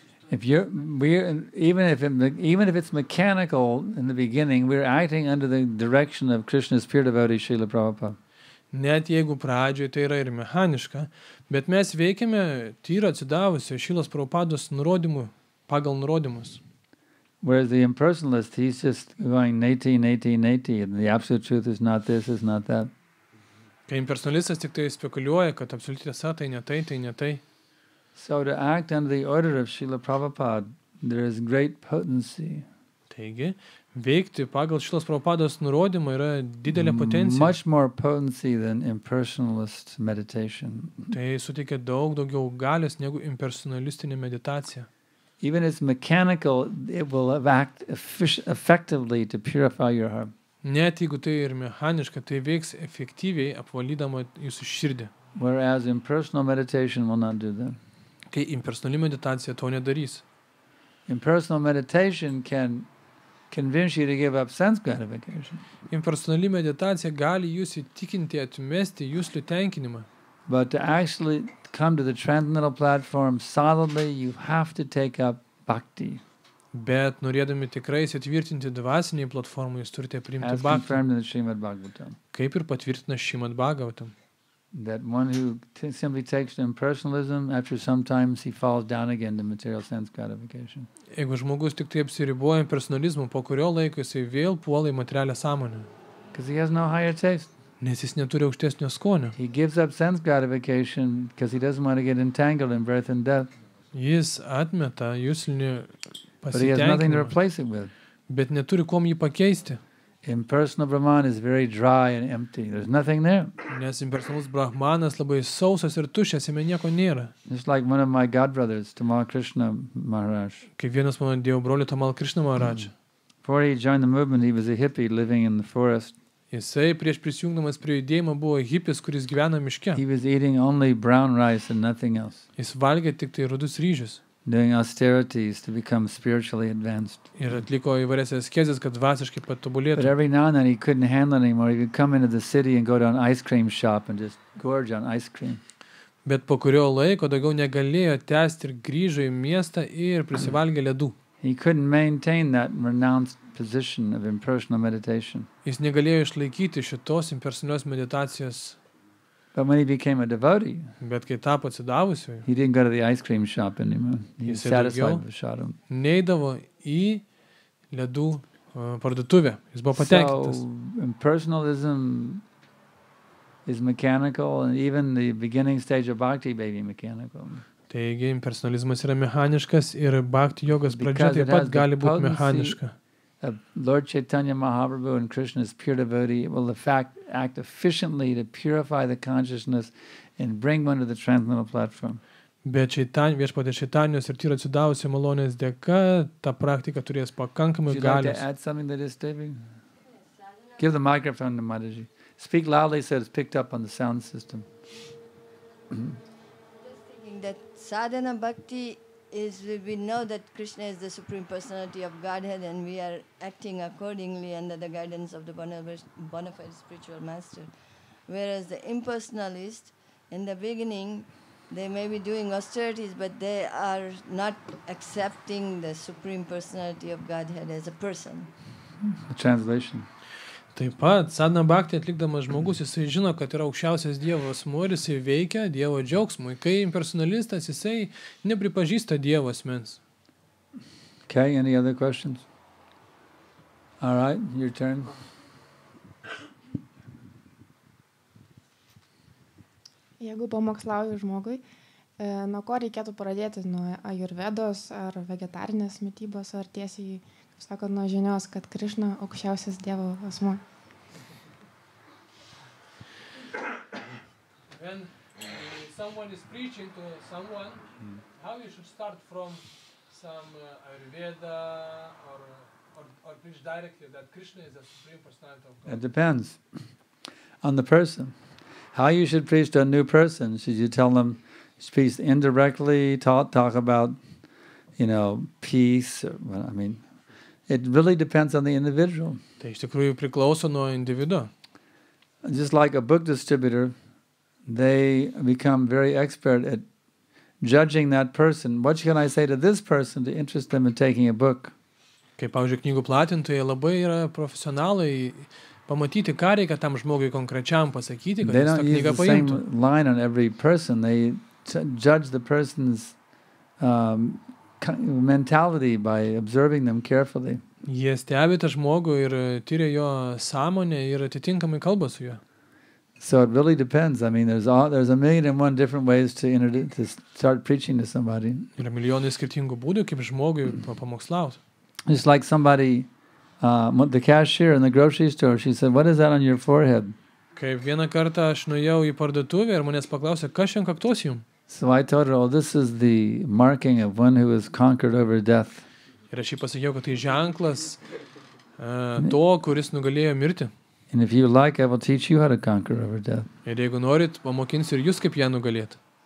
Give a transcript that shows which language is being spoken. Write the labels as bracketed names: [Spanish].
[English] Even if it's mechanical in the beginning, we're acting under the direction of Krishna's pure devotee Srila Prabhupada. [Lithuanian] Net jeigu pradžioje tai yra ir mechaniška, bet mes veikiame tyra atsidavusio Šilos Prabhupados nurodymų, pagal nurodymus. [English] Whereas the impersonalist, he's just going 80, 80, 80, and the absolute truth is not this, is not that. [Lithuanian] Kai impersonalistas tik tai spekuliuoja, kad absoliuti tiesa tai ne tai, tai ne tai. [English] So to act under the order of Srila Prabhupada, there is great potency. [Lithuanian] Taigi, veikti pagal Šilos Prabhupados nurodymą yra didelė potencija. [English] Much more potency than impersonalist meditation. [Lithuanian] Tai suteikia daug daugiau galios negu impersonalistinė meditacija. [English] Even if it's mechanical, it will act effectively to purify your heart. [Lithuanian] Net jeigu tai ir mechaniška, tai veiks efektyviai apvalydama jūsų širdį. [English] Whereas impersonal meditation will not do that. [Lithuanian] Kai impersonali meditacija to nedarys. [English] Impersonal meditation can convince you to give up sense gratification. [Lithuanian] Impersonali meditacija gali jūs įtikinti atmesti jūsų tenkinimą. [English] But to actually come to the transcendental platform solidly, you have to take up bhakti. [Lithuanian] Bet norėdami tikrai įsitvirtinti dvasinėje platformoje, jūs turite priimti bhakti. Kaip ir patvirtina Šrimad Bhagavatam. [English] That one who simply takes to impersonalism, after some time he falls down again to material sense gratification. [Lithuanian] Jeigu žmogus tik taip apsiriboja impersonalizmu, po kurio laiko jis vėl puola į materialią sąmonę. [English] Because he has no higher taste. [Lithuanian] Nes jis neturi aukštesnio skonio. [English] He gives up sense gratification because he doesn't want to get entangled in birth and death. [Lithuanian] Jis atmeta juslinį pasitenkinimą. [English] But he has nothing to replace it with. [Lithuanian] Bet neturi kuom jį pakeisti. [English] Impersonal Brahman is very dry and empty. There's nothing there. [Lithuanian] Nes impersonalus Brahmanas labai sausas ir tušias, jame nieko nėra. [English] It's like one of my godbrothers, Tamal Krishna Maharaj. [Lithuanian] Kaip vienas mano dievo brolio Tamal Krishna Maharaj. [English] Before he joined the movement, he was a hippie living in the forest. [Lithuanian] Jisai prieš prisijungdamas prie judėjimo buvo hippis, kuris gyveno miške. [English] He was eating only brown rice and nothing else. [Lithuanian] Jis valgė tik tai rudus ryžius. [English] Doing austerities to become spiritually advanced. [Lithuanian] Ir atliko įvairias askezes, kad dvasiškai patobulėtų. [English] But every now and then he couldn't handle anymore. He would come into the city and go to an ice cream shop and just gorge on ice cream. [Lithuanian] Bet po kurio laiko daugiau negalėjo tęsti ir grįžo į miestą ir prisivalgė ledų. [English] He couldn't maintain that renounced position of impersonal meditation. [Lithuanian] Jis negalėjo išlaikyti šitos impersonalios meditacijos. [English] But when he became a devotee, [Lithuanian] bet kai tapo atsidavusiu, [English] he didn't go to the ice cream shop anymore. He was satisfied with Vaishnavam. [Lithuanian] Neidavo į ledų parduotuvę. Jis buvo patenkintas. [English] So, impersonalism is mechanical, and even the beginning stage of bhakti may be mechanical. [Lithuanian] Taigi, impersonalizmas yra mechaniškas ir bhakti jogas pradžia taip pat gali būti mechaniška. [English] A Lord Chaitanya Mahaprabhu and Krishna's pure devotee will in fact act efficiently to purify the consciousness and bring one to the transcendental platform. [Lithuanian] Bet viešpatie Chaitanyos ir tyro atsidavusio malonės dėka, ta praktika turės pakankamai galios. [English] Would you like to add something to this, David? Give the microphone to Mataji. Speak loudly so it's picked up on the sound system. Just thinking that sadhana bhakti is we know that Krishna is the supreme personality of Godhead and we are acting accordingly under the guidance of the bona fide spiritual master, whereas the impersonalist in the beginning they may be doing austerities but they are not accepting the supreme personality of Godhead as a person. A translation. [Lithuanian] Taip pat sadhana bhakti atlikdamas žmogus jisai žino, kad yra aukščiausias Dievo asmuo ir jisai veikia Dievo džiaugsmui, kai impersonalistas jisai nepripažįsta Dievo asmens. [English] Okay, any other questions? All right, your turn. [Lithuanian] Jeigu pamokslauju žmogui, nuo ko reikėtų pradėti, nuo ajurvedos ar vegetarinės mitybos ar tiesiai, kaip sakot, nuo žinios, kad Krishna aukščiausias Dievo asmuo? [English] When someone is preaching to someone, how you should start from some Ayurveda or preach directly that Krishna is the supreme personality of God? It depends on the person. How you should preach to a new person, should you tell them, speak indirectly, talk about, you know, peace, or, well, I mean, it really depends on the individual. [Lithuanian] Tai iš tikrųjų priklauso nuo individo. [English] Just like a book distributor, they become very expert at judging that person. What can I say to this person to interest them in taking a book? [Lithuanian] Kaip pavyzdžiui, knygų platintojai labai yra profesionalai pamatyti, ką reikia tam žmogui konkrečiam pasakyti, kad jis tą knygą paimtų. [English] They don't use the same line on every person. They judge the person's mentality by observing them carefully. [Lithuanian] Jie stebi tą žmogų ir tyria jo sąmonę ir atitinkamai kalba su juo. [English] So it really depends. I mean, there's a million and one different ways to start preaching to somebody. [Lithuanian] Yra milijonai skirtingų būdų, kaip žmogui pamokslauti. [English] It's like somebody, the cashier in the grocery store, she said, what is that on your forehead? [Lithuanian] Kaip vieną kartą aš nuėjau į parduotuvę ir manęs paklausė, kas šiandien kaktos jums? [English] So I told her, oh, this is the marking of one who has conquered over death. [Lithuanian] Ir aš jį pasakiau, kad tai ženklas to, kuris nugalėjo mirti. [English] And if you like, I will teach you how to conquer over death. [Lithuanian] Ir jeigu norit, pamokinsiu ir jūs kaip ją nugalėt.